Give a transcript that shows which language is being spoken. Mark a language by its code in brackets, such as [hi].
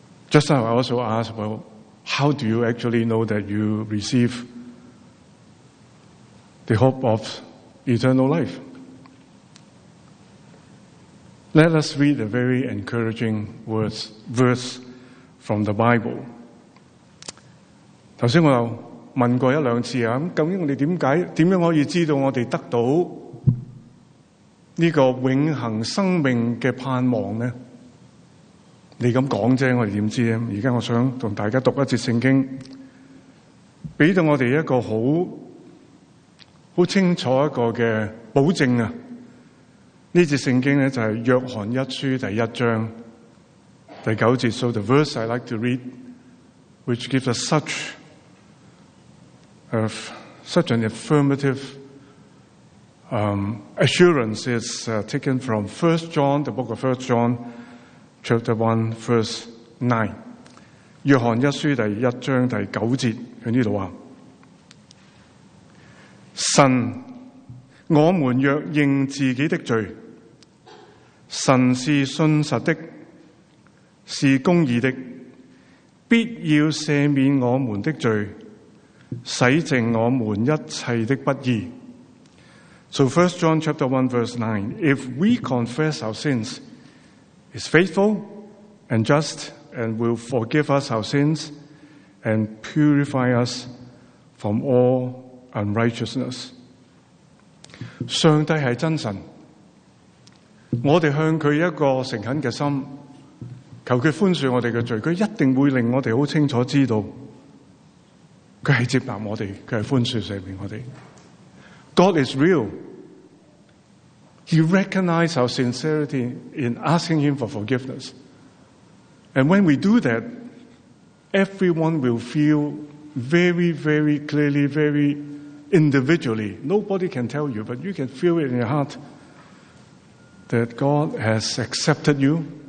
[en] Just now I also asked, well, how do you actually know that you receive the hope of eternal life? Let us read a very encouraging verse from the Bible. [zh] 剛才我有問過一兩次，究竟我們怎樣可以知道我們得到這個永恆生命的盼望呢？你這樣說而已，我們怎麼知道呢？現在我想跟大家讀一節聖經，給到我們一個很清楚一個的保證。這節聖經就是約翰一書第一章第九節。 [en] So the verse I like to read, which gives us such an affirmative assurance, is taken from 1 John, the book of 1 John, chapter 1, verse 9. [zh] 約翰一書第一章第九節，在這裡說，神，我們若認自己的罪，神是信實的，是公義的，必要赦免我們的罪，洗淨我們一切的不義。 [en] So 1 John chapter 1 verse 9, if we confess our sins, is faithful and just and will forgive us our sins and purify us from all unrighteousness. [zh] 上帝是真神，我们向祂一个诚恳的心求祂宽恕我们的罪，祂一定会令我们很清楚知道祂是接纳我们，祂是宽恕赦免我们。 [en] God is real. He recognizes our sincerity in asking Him for forgiveness. And when we do that, everyone will feel very, very clearly, very individually. Nobody can tell you, but you can feel it in your heart that God has accepted you.